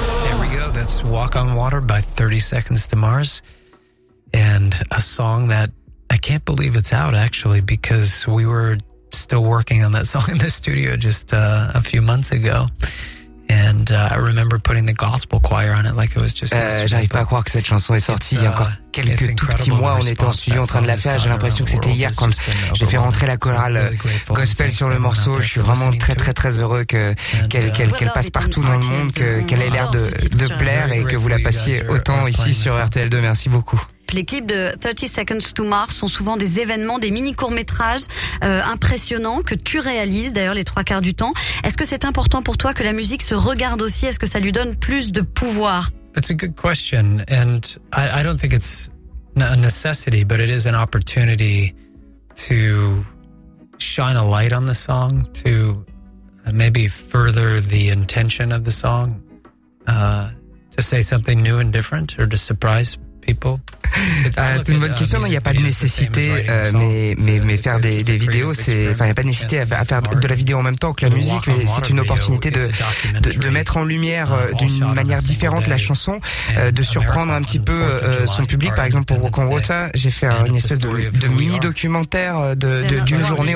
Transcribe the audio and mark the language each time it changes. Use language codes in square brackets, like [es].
[en] 30 Seconds to Mars, and a song that I can't believe it's out, actually, because we were still working on that song in the studio just a few months ago. And I remember putting the gospel choir on it like it was just yesterday. [fr] J'arrive pas à croire que cette chanson est sortie il y a encore quelques tout petits mois. On était en studio en train de la faire. J'ai l'impression que c'était hier quand j'ai fait rentrer la chorale gospel sur le morceau. Je suis vraiment très, très, très heureux qu'elle passe partout dans le monde, qu'elle ait l'air de plaire et que vous la passiez autant ici sur RTL2. Merci beaucoup. Les clips de 30 Seconds to Mars sont souvent des événements, des mini-courts-métrages impressionnants que tu réalises d'ailleurs les trois quarts du temps. Est-ce que c'est important pour toi que la musique se regarde aussi? Est-ce que ça lui donne plus de pouvoir? [en] That's a good question and I don't think it's a necessity but it is an opportunity to shine a light on the song, to maybe further the intention of the song, to say something new and different or to surprise people. [fr] C'est une bonne question. Non, il n'y a pas de nécessité, mais faire des vidéos, c'est, enfin, il n'y a pas de nécessité à faire de la vidéo en même temps que la musique, mais c'est une opportunité de mettre en lumière d'une manière différente la chanson, de surprendre un petit peu son public. Par exemple, pour Walk on Water, j'ai fait une espèce de mini-documentaire d'une journée.